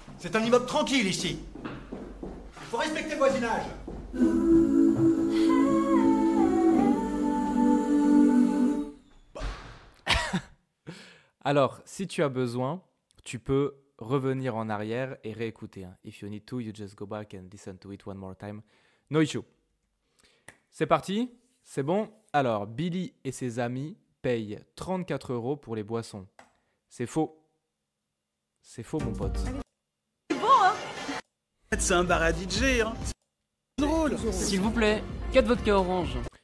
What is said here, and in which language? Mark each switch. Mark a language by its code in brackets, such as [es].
[fr] C'est un immeuble tranquille ici. Il faut respecter le voisinage. Alors, si tu as besoin, tu peux revenir en arrière et réécouter. [en] If you need to, you just go back and listen to it one more time. No issue. [fr] C'est parti? C'est bon? Alors, Billy et ses amis payent 34 euros pour les boissons. C'est faux. C'est faux, mon pote. C'est bon, hein? C'est un bar à DJ, hein? C'est drôle. S'il vous plaît, 4 vodka orange.